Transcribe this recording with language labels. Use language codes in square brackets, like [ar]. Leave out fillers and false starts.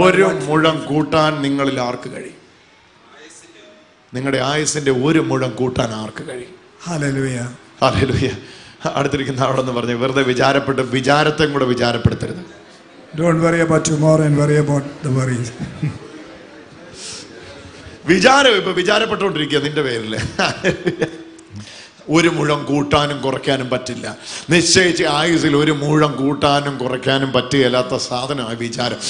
[ml] ഒരു മുഴം കൂട്ടാൻ നിങ്ങളിൽ ആർക്ക് കഴിയും? നിങ്ങളുടെ ആയുസിന്റെ ഒരു മുഴം കൂട്ടാൻ ആർക്ക് കഴിയും? [en] Hallelujah. [ml] Hallelujah. അടുത്തിരിക്കുന്ന ആളോടൊന്ന് പറഞ്ഞു വെറുതെ വിചാരത്തെയും കൂടെ വിചാരപ്പെടുത്തരുത്. [en] Don't worry about tomorrow and worry about the worries. [ml] വിചാരം ഇപ്പൊ വിചാരപ്പെട്ടുകൊണ്ടിരിക്കുക നിന്റെ പേരില്. ഒരു മുഴം കൂട്ടാനും കുറയ്ക്കാനും പറ്റില്ല. നിശ്ചയിച്ച് ആയുസിൽ ഒരു മുഴം കൂട്ടാനും കുറയ്ക്കാനും പറ്റുകയില്ലാത്ത സാധനമായി വിചാരം.